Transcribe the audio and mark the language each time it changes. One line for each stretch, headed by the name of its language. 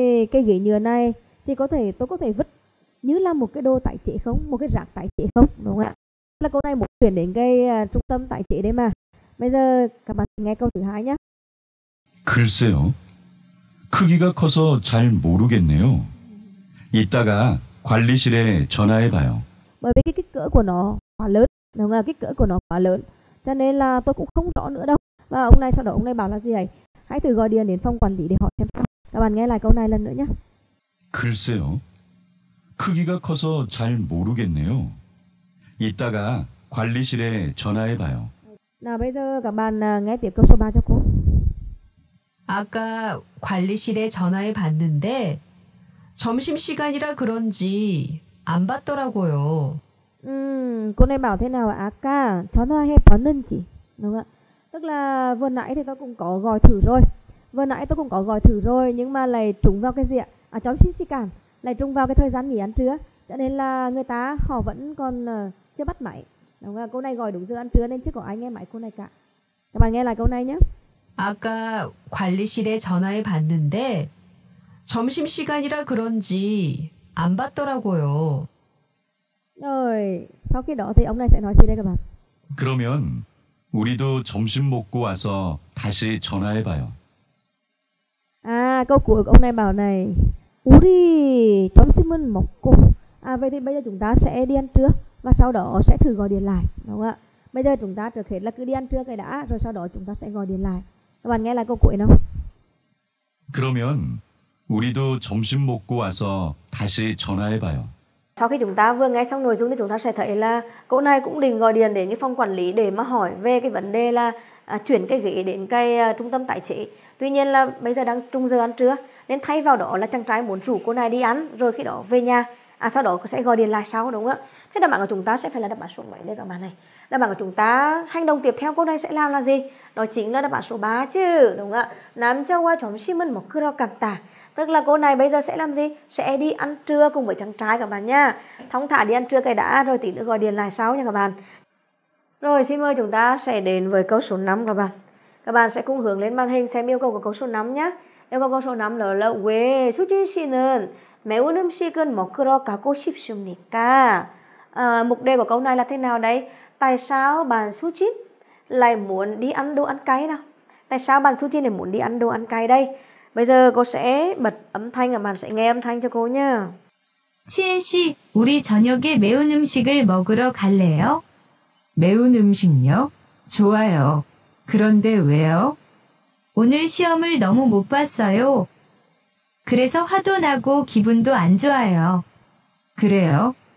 Vietnamese: Cái ghế nhựa này thì tôi có thể vứt như là một cái đồ tái chế không, một cái rác tái chế không, đúng không ạ? Là cô này muốn chuyển đến cái trung tâm tái chế đấy mà. Bây giờ các bạn nghe câu thứ hai nhé.
Korean: 글쎄요. 크기가 커서 잘 모르겠네요. 이따가 관리실에 전화해 봐요.
Vietnamese: Bởi vì cái kích cỡ của nó quá lớn, đúng không ạ? Kích cỡ của nó quá lớn. Cho nên là tôi cũng không rõ nữa đâu. Và ông này sau đó ông này bảo là gì vậy? Hãy thử gọi điện đến phòng quản lý để hỏi xem. Các bạn nghe lại câu này lần nữa nhé.
Korean: 글쎄요. 크기가 커서 잘 모르겠네요. 이따가 관리실에 전화해 봐요.
Vietnamese: Nào bây giờ các bạn nghe tiếp câu số 3 cho cô.
Korean: 아까 관리실에 전화해 봤는데 점심 시간이라 그런지 안 받더라고요.
Vietnamese: Cô này bảo thế nào ạ?
Korean: 아까 전화해 봤는지.
Vietnamese: Đúng ạ. Tức là vừa nãy thì tôi cũng có gọi thử rồi. Vừa nãy tôi cũng có gọi thử rồi nhưng mà lại trúng vào cái gì ạ? À, chóng xin xí cảm, lại trúng vào cái thời gian nghỉ ăn trưa. Cho nên là người ta họ vẫn còn chưa bắt máy. Đúng rồi, cô này gọi đúng giờ ăn trưa nên chưa có ai nghe máy cô này cả. Các bạn nghe lại câu này nhé.
Korean: 아까 관리실에 전화해 봤는데 점심 시간이라 그런지 안 받더라고요.
Vietnamese: Rồi, sau khi đó thì ông này sẽ nói gì đây các bạn?
Korean: 그러면 우리도 점심 먹고 와서 다시 전화해 봐요.
Vietnamese: Câu cuối ông này bảo này,
Korean: 우리 점심은 먹고.
Vietnamese: Vậy thì bây giờ chúng ta sẽ đi ăn trưa và sau đó sẽ thử gọi điện lại, đúng không ạ? Bây giờ chúng ta trước hết là cứ đi ăn trưa cái đã, rồi sau đó chúng ta sẽ gọi điện lại. Các bạn nghe lại câu cuối không?
Korean: 그러면 우리도 점심 먹고 와서 다시 전화해 봐요.
Vietnamese: Sau khi chúng ta vừa nghe xong nội dung thì chúng ta sẽ thấy là cô này cũng định gọi điện đến cái phòng quản lý để mà hỏi về cái vấn đề là chuyển cái ghế đến cái trung tâm tái chế. Tuy nhiên là bây giờ đang trung giờ ăn trưa nên thay vào đó là chàng trai muốn rủ cô này đi ăn rồi khi đó về nhà. Sau đó sẽ gọi điện lại sau, đúng không ạ? Thế đáp án của chúng ta sẽ phải là đáp án số mấy đây các bạn này? Đáp án của chúng ta hành động tiếp theo cô này sẽ làm là gì? Đó chính là đáp án số 3 chứ, đúng không ạ?
Korean: 남자와 점심은 먹으러 갔다.
Vietnamese: Tức là cô này bây giờ sẽ làm gì? Sẽ đi ăn trưa cùng với chàng trai các bạn nha. Thong thả đi ăn trưa cái đã rồi tí nữa gọi điện lại sau nha các bạn. Rồi xin mời chúng ta sẽ đến với câu số 5 các bạn. Các bạn sẽ cùng hướng lên màn hình xem yêu cầu của câu số 5 nhé. Yêu cầu câu số 5 đó là
Korean: 왜 수진 씨는 매운 음식은 먹으러 가고 싶습니까?
Vietnamese: Mục đề của câu này là thế nào đấy? Tại sao bạn Su-jin lại muốn đi ăn đồ ăn cay nào? Tại sao bạn Su-jin lại muốn đi ăn đồ ăn cay đây? Bây giờ cô sẽ bật âm thanh và bạn sẽ nghe âm thanh cho cô nhé.
Korean: 지은 씨, 우리 저녁에 매운 음식을 먹으러 갈래요? 매운 음식요? 좋아요. 그런데 왜요? 오늘 시험을 너무 못 봤어요. 그래서 화도 나고 기분도 안 좋아요. 그래요?